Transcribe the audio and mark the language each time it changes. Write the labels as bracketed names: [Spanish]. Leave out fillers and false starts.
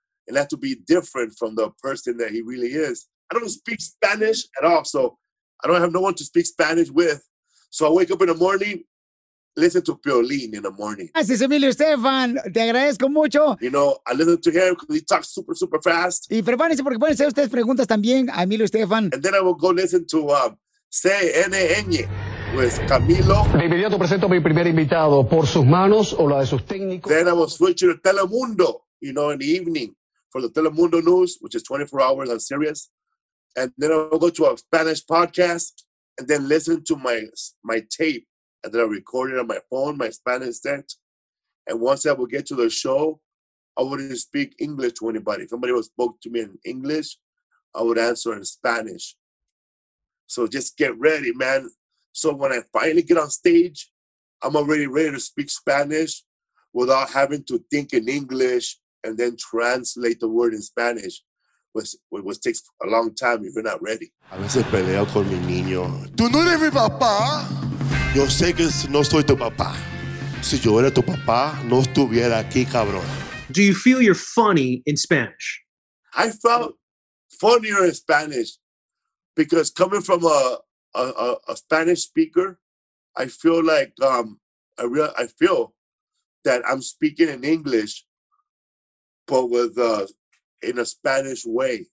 [English] And that to be different from the person that he really is. I don't speak Spanish at all, so I don't have no one to speak Spanish with. So I wake up in the morning, listen to Piolín in the morning. [Spanish] Gracias, Emilio Estefan. Te agradezco mucho. [English] You know, I listen to him because he talks super, super fast. [Spanish] Y prepárense porque pueden hacer ustedes preguntas también a Emilio Estefan. [English] And then I will go listen to CNN with Camilo. [Spanish] De inmediato presento a mi primer invitado por sus manos o la de sus técnicos. [English] Then I will switch to Telemundo, you know, in the evening for the Telemundo news, which is 24 hours on Sirius. And then I will go to a Spanish podcast. And then listen to my tape that I recorded on my phone, my Spanish set. And once I would get to the show, I wouldn't speak English to anybody. If somebody spoke to me in English, I would answer in Spanish. So just get ready, man. So when I finally get on stage, I'm already ready to speak Spanish without having to think in English and then translate the word in Spanish, which takes a long time if you're not ready. [Spanish] A veces peleo con mi niño. Tú no eres mi papá. Yo sé que no soy tu papá. Si yo era tu papá, no estuviera aquí, cabrón. [English] Do you feel you're funny in Spanish? I felt funnier in Spanish because coming from a Spanish speaker, I feel like I feel that I'm speaking in English, but with in a Spanish way.